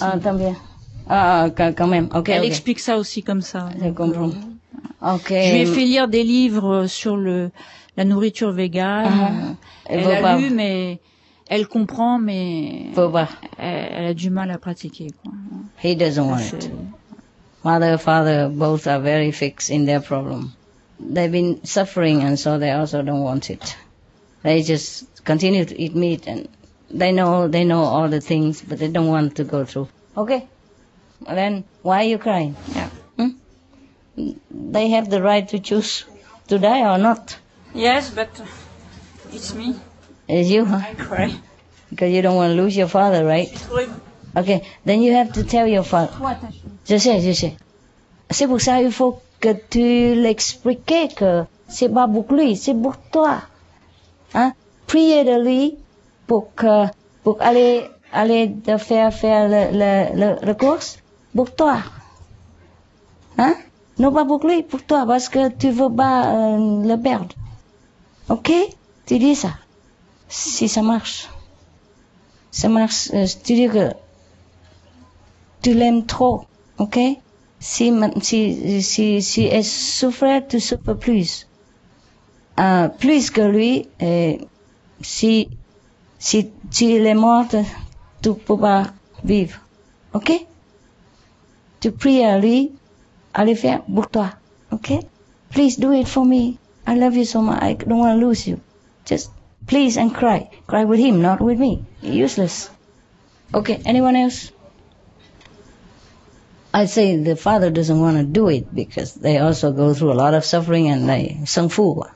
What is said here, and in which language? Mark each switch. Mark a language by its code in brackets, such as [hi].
[fr] Ah, tant bien. Ah, quand même. Okay, elle explique ça aussi comme ça. Je comprends. Okay. Je lui ai fait lire des livres sur la nourriture végane. Elle a lu, mais elle comprend, mais elle a du mal à pratiquer. Quoi. [en] He doesn't want it. Mother, father, both are very fixed in their problem. They've been suffering, and so they also don't want it. They just continue to eat meat, and they know all the things, but they don't want to go through. Okay, then why are you crying? Yeah. They have the right to choose to die or not. Yes, but it's me. It's you, huh? I cry. Because you don't want to lose your father, right? It's horrible. Okay, then you have to tell your father. What? [fr] Je sais. C'est pour ça qu'il faut... que tu l'expliquais que c'est pas pour lui, c'est pour toi. Hein? Priez de lui pour aller de faire le course pour toi. Hein? Non pas pour lui, pour toi, parce que tu veux pas le perdre. Ok? Tu dis ça. Si ça marche. Ça marche, tu dis que tu l'aimes trop. Ok? Si elle souffrait, tu souffres plus. Plus que lui, et si il est mort, tu peux pas vivre. Ok? Tu pries à lui, à le faire pour toi. [en] Ok? Please do it for me. I love you so much. I don't want to lose you. Just please and cry. Cry with him, not with me. Useless. Ok, anyone else? I say the father doesn't want to do it because they also go through a lot of suffering and they sung fu.